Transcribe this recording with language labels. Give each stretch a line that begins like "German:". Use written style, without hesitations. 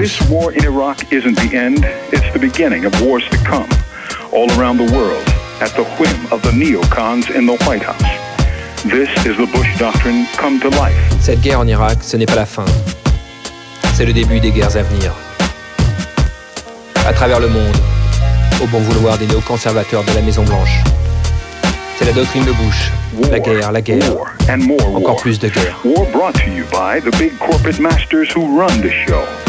English: This war in Iraq isn't the end, it's the beginning of wars to come all around the world at the whim of the neocons in the White House. This is the Bush doctrine come to life.
French: Cette guerre en Irak, ce n'est pas la fin. C'est le début des guerres à venir. À travers le monde, au bon vouloir des néoconservateurs de la Maison Blanche. C'est la doctrine de Bush. La guerre.
English: War and more war.
French: Encore plus de guerre.
English: War brought to you by the big corporate masters who run the show.